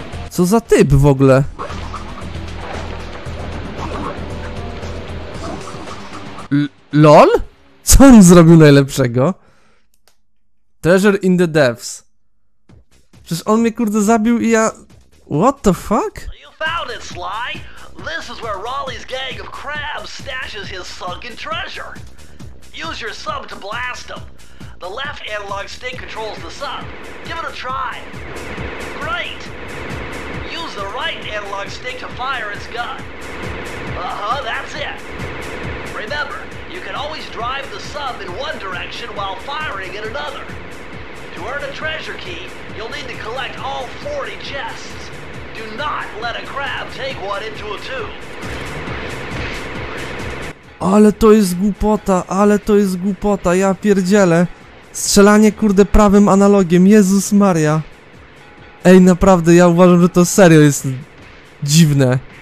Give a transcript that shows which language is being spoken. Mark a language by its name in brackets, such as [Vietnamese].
[Polish] Co za typ w ogóle? [English] LOL? [Polish] Co on zrobił najlepszego? [English] Treasure in the depths. [Polish] Przecież on mnie kurde zabił i ja... [English] What the fuck? You found it, Sly. This is where Raleigh's gang of crabs stashes his sunken treasure. Use your sub to blast him. The left analog stick controls the sub. Give it a try. Great! Use the right analog stick to fire its gun. Uh-huh, that's it. Remember, you can always drive the sub in one direction while firing in another. To earn a treasure key, you'll need to collect all 40 chests. Do not let a crab take one into a tomb. [Polish] Ale to jest głupota, ale to jest głupota, ja pierdzielę. Strzelanie kurde prawym analogiem, Jezus Maria. Ej, naprawdę, ja uważam, że to serio jest dziwne.